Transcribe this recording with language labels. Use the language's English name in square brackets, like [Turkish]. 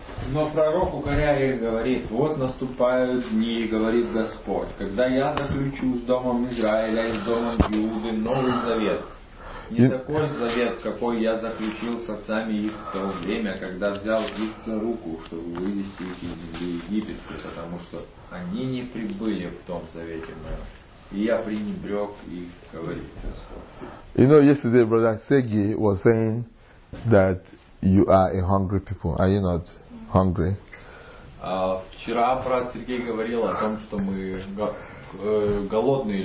[Russian] Но пророк укоряя говорит: вот наступают дни, говорит Господь, когда я заключу с домом Израиля и с домом Иуды новый завет. Не такой завет, какой я заключил с отцами их в то время, когда взял их за руку, чтобы вывести их из земли египетской, потому что они не прибыли в том завете моем. И я пренебрег их, говорит Господь. [English] You know, yesterday brother Segi was saying that you are a hungry people. Are you not hungry? [Russian] Вчера брат Сергей говорил о том, что мы голодные